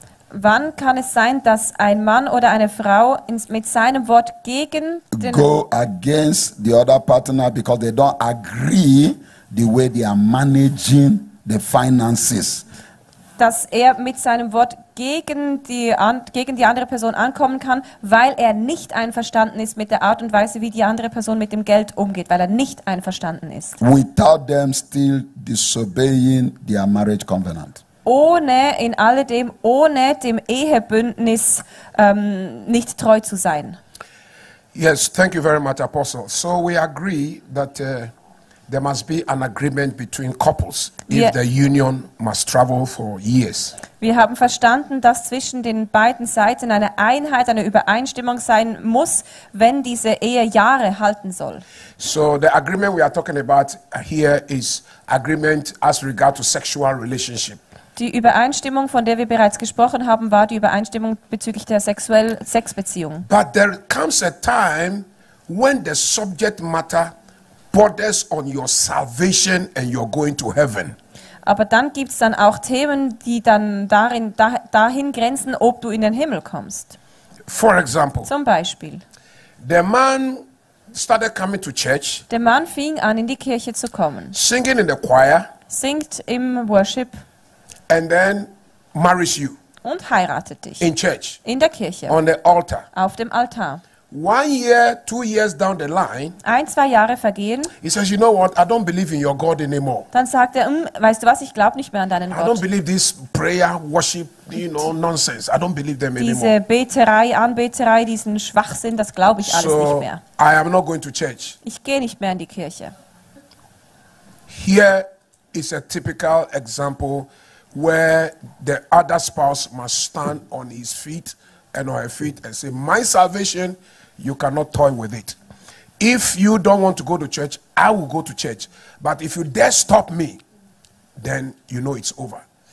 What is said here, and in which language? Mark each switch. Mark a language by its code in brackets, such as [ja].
[de] Wann kann es sein, dass ein Mann oder eine Frau mit seinem Wort gegen den [en] go against the other partner because they don't agree the way they are managing the finances? [de] dass er mit seinem Wort gegen die andere Person ankommen kann, weil er nicht einverstanden ist mit der Art und Weise, wie die andere Person mit dem Geld umgeht, weil er nicht einverstanden ist. [en] Without them still disobeying their marriage covenant. [de] Ohne in alledem, ohne dem Ehebündnis nicht treu zu sein. [en] Yes, thank you very much, Apostle. So we agree that there must be an agreement between couples if the union must travel for years. [de] Wir haben verstanden, dass zwischen den beiden Seiten eine Einheit, eine Übereinstimmung sein muss, wenn diese Ehe Jahre halten soll. [en] So the agreement we are talking about here is agreement as regard to sexual relationship. [de] Die Übereinstimmung, von der wir bereits gesprochen haben, war die Übereinstimmung bezüglich der sexuellen Sexbeziehung. [en] But there comes a time when the subject matter borders on your salvation and you're going to heaven. [de] Aber dann gibt es dann auch Themen, die dann darin dahin grenzen, ob du in den Himmel kommst. [en] For example, [de] zum Beispiel, [en] the man started coming to church. [de] Der Mann fing an, in die Kirche zu kommen. [en] Singing in the choir. [de] Singt im Worship. [en] And then marries you. [de] Und heiratet dich. [en] In church. [de] In der Kirche. [en] On the altar. [de] Auf dem Altar. [en] 1 year, 2 years down the line. [de] Ein, zwei Jahre vergehen. [en] He says, you know what? I don't believe in your God anymore. [de] Dann sagt er, weißt du was? Ich glaube nicht mehr an deinen Gott. [en] I don't believe this prayer, worship, you know, nonsense. I don't believe them [de] diese [en] anymore. [de] Diese Beterei, Anbeterei, diesen Schwachsinn, das glaube ich alles nicht mehr. [en] So I am not going to church. [de] Ich gehe nicht mehr in die Kirche. [en] Here is a typical example where the other spouse must stand on his feet and on her feet and say, my salvation, you cannot toy with it. If you don't want to go to church, I will go to church. But if you dare stop me, then you know it's over.